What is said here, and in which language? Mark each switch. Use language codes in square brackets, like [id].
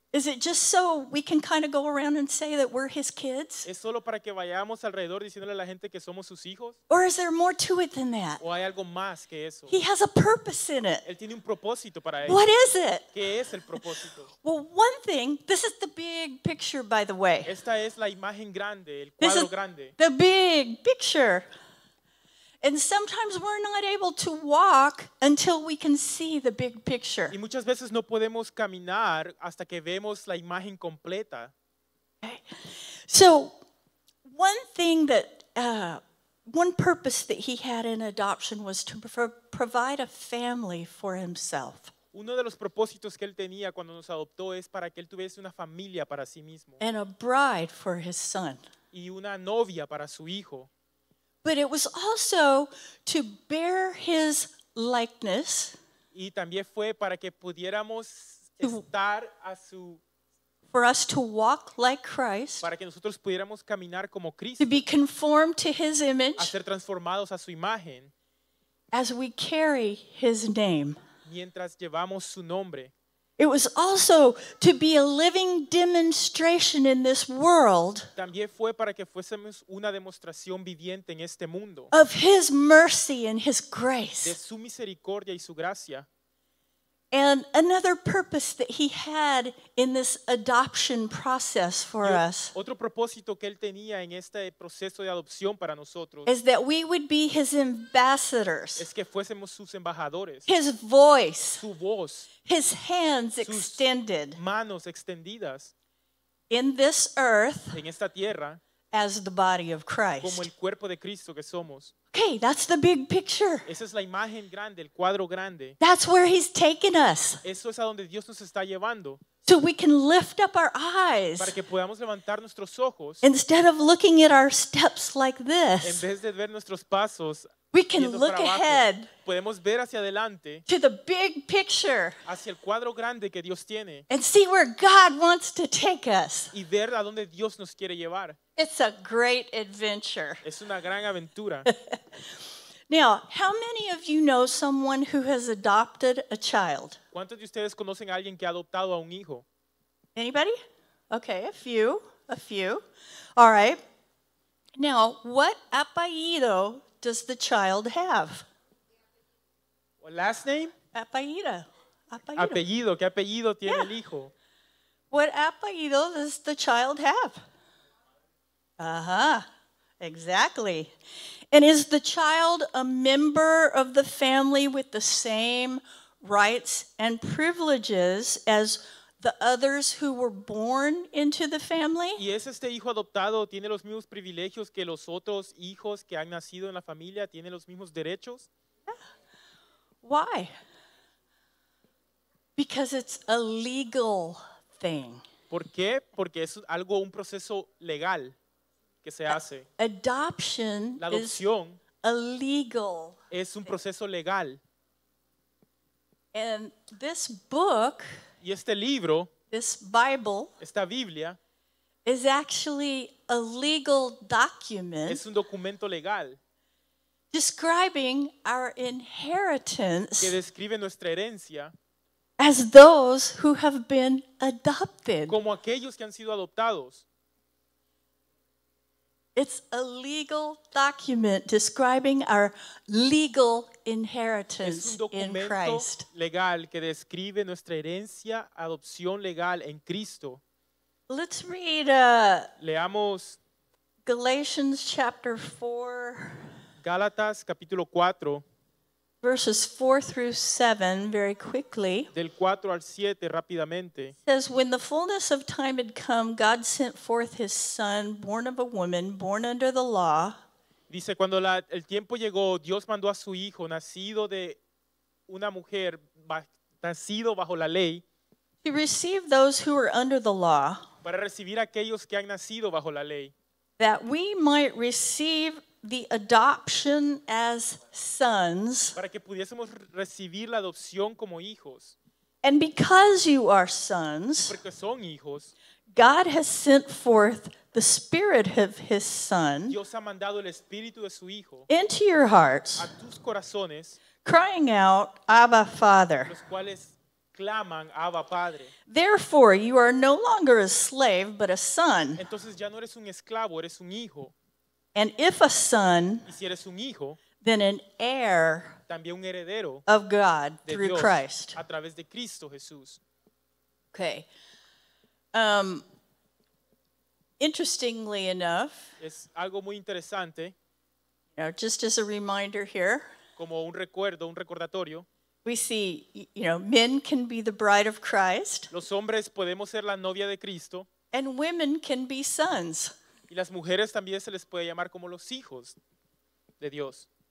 [en] Is it just so we can kind of go around and say that we're his kids? [es] ¿Es solo para que vayamos alrededor diciéndole a la gente que somos sus hijos? [en] Or is there more to it than that? [es] ¿O hay algo más que eso? [en] He has a purpose in it. [es] Él tiene un propósito para ello. [en] What is it? [es] ¿Qué es el propósito? [en] Well, one thing, this is the big picture, by the way. [es] Esta es la imagen grande, el cuadro grande. [en] The big picture. And sometimes we're not able to walk until we can see the big picture. [es] Y muchas veces no podemos caminar hasta que vemos la imagen completa. [en] Okay. So, one thing that, one purpose that he had in adoption was to provide a family for himself. [es] Uno de los propósitos que él tenía cuando nos adoptó es para que él tuviese una familia para sí mismo. [en] And a bride for his son. [es] Y una novia para su hijo. [en] But it was also to bear his likeness. [es] Y también fue para que pudiéramos estar a su. [en] For us to walk like Christ. [es] Para que nosotros pudiéramos caminar como Cristo. [en] To be conformed to his image. [es] A ser transformados a su imagen. [en] As we carry his name. [es] Mientras llevamos su nombre. [en] It was also to be a living demonstration in this world. [es] También fue para que fuésemos una demostración viviente en este mundo. [en] Of his mercy and his grace. [es] De su misericordia y su gracia. [en] And another purpose that he had in this adoption process for us. [es] Otro propósito que él tenía en este proceso de adopción para nosotros. [en] Is that we would be his ambassadors. [es] Es que fuésemos sus embajadores. [en] His voice. [es] Su voz. [en] His hands extended. [es] Sus manos extendidas. [en] In this earth. [es] En esta tierra. [en] As the body of Christ. [es] Como el cuerpo de Cristo que somos. [en] Okay, that's the big picture. [es] Esa es la imagen grande, el cuadro grande. [en] That's where he's taking us. [es] Eso es a donde Dios nos está llevando. [en] So we can lift up our eyes. [es] Para que podamos levantar nuestros ojos. [en] Instead of looking at our steps like this. [es] En vez de ver nuestros pasos. [en] We can look ahead. [es] Podemos ver hacia adelante. [en] To the big picture. [es] Hacia el cuadro grande que Dios tiene. [en] And see where God wants to take us. [es] Y ver a donde Dios nos quiere llevar. [en] It's a great adventure. [es] Es una gran aventura. [en] Now, how many of you know someone who has adopted a child? [es] ¿Cuántos de ustedes conocen a alguien que ha adoptado a un hijo? [en] Anybody? Okay, a few. All right. Now, what apellido does the child have? What last name? [es] Apellido. Apellido. ¿Qué apellido tiene el hijo? [en] What apellido does the child have? Uh-huh. Exactly. And is the child a member of the family with the same rights and privileges as the others who were born into the family? [es] ¿Y es este hijo adoptado? ¿Tiene los mismos privilegios que los otros hijos que han nacido en la familia? ¿Tiene los mismos derechos? [en] Yeah. Why? Because it's a legal thing. [es] ¿Por qué? Porque es algo, un proceso legal. Que se hace. [en] Adoption [es] la adopción [en] is a legal [es] es un proceso legal. [en] And this book, [es] y este libro, [en] this Bible, [es] esta Biblia, [en] is actually a legal document, [es] es un documento legal, [en] describing our inheritance, [es] que describe nuestra herencia, [en] as those who have been adopted, [es] como aquellos que han sido adoptados. [en] It's a legal document describing our legal inheritance in Christ. [es] Es un documento legal que describe nuestra herencia, adopción legal en Cristo. [en] Let's read [es] Leamos [en] Galatians chapter 4. [es] Gálatas capítulo 4. [en] Verses 4 through 7, very quickly. [es] Del 4 al 7, rápidamente. [en] Says, when the fullness of time had come, God sent forth his son, born of a woman, born under the law. [es] Dice, cuando el tiempo llegó, Dios mandó a su hijo, nacido de una mujer, nacido bajo la ley. [en] To receive those who were under the law. [es] Para recibir aquellos que han nacido bajo la ley. [en] That we might receive the adoption as sons. [es] Para que pudiésemos recibir la adopción como hijos. [en] And because you are sons, [es] porque son hijos, [en] God has sent forth the Spirit of his Son, [es] Dios ha mandado el Espíritu de su Hijo, [en] into your hearts, [es] a tus corazones, [en] crying out, Abba, Father. [es] Los cuales claman, Abba, Padre. [en] Therefore, you are no longer a slave, but a son. [es] Entonces ya no eres un esclavo, eres un hijo. [en] And if a son, [es] y si eres un hijo, [en] then an heir, [es] también un heredero, [en] of God [es] de [en] through [es] Dios, [en] Christ. [es] A través de Cristo Jesús. [en] Okay. Interestingly enough, [es] es algo muy interesante, [en] you know, just as a reminder here, [es] como un recuerdo, un recordatorio, [en] we see, you know, men can be the bride of Christ. [es] Los hombres podemos ser la novia de Cristo. [en] And women can be sons. [es] Y las mujeres también se les puede llamar como los hijos de Dios.